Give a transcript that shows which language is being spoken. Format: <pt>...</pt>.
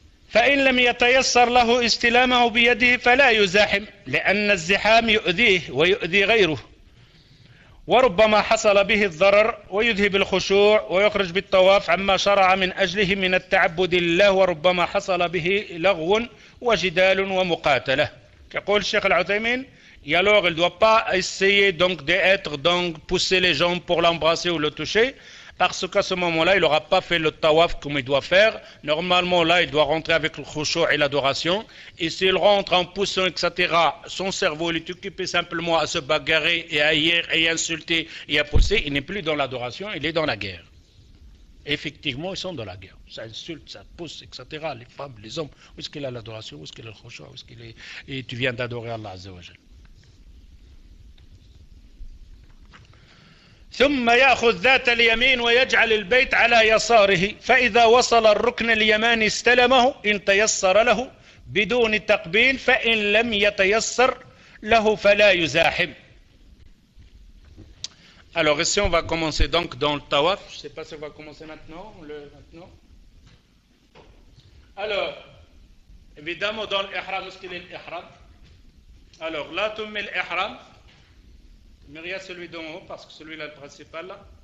<ar>فإن لم يتيسر له استلامه بيده فلا يزاحم لأن الزحام يؤذيه ويؤذي غيره، وربما حصل به الضرر ويذهب الخشوع ويخرج بالطواف عما شرع من أجله من التعبد لله، وربما حصل به لغو وجدال ومقاتلة. يقول الشيخ العثيمين يا لوغ</ar> <fr>il doit pas essayer donc d'être donc pousser les gens pour l'embrasser ou le toucher parce qu'à ce moment-là, il n'aura pas fait le tawaf comme il doit faire. Normalement, là, il doit rentrer avec le khushu et l'adoration. Et s'il rentre en poussant, etc., son cerveau, il est occupé simplement à se bagarrer et à hier et à insulter et à pousser. Il n'est plus dans l'adoration, il est dans la guerre. Effectivement, ils sont dans la guerre. Ça insulte, ça pousse, etc. Les femmes, les hommes, où est-ce qu'il a l'adoration? Où est-ce qu'il a le khushu? Où est-ce qu'il est... Et tu viens d'adorer Allah, Azza wa Jalla.</fr> <ar>ثم يأخذ ذات اليمين ويجعل البيت على يساره فإذا وصل الركن اليماني استلمه إن تيسر له بدون تقبيل فإن لم يتيسر له فلا يزاحم.</ar> <fr>Alors ici on va commencer donc dans le tawaf. Je ne sais pas si on va commencer maintenant. Alors évidemment dans l'ihram, est-ce qu'il est l'ihram? Alors là tu mets l'ihram. Mais il y a celui d'en haut, parce que celui-là est le principal. Là.</fr>